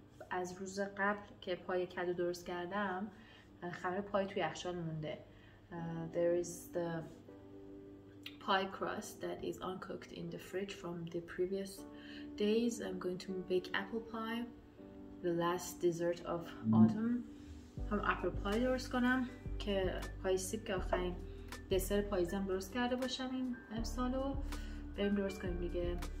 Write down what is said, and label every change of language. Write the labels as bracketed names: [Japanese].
[Persian] از روز قبل که پای کدو درست کردم خبر پای توی یخچال مونده. [English] There is the pie crust that is uncooked in the fridge from the previous days. I'm going to bake apple pie, the last dessert of autumn. [Persian] هم apple pie درست کنم که پای سیب که آخرین دسر پاییزم درست کرده باشم این امسال رو بریم درست کنیم دیگه.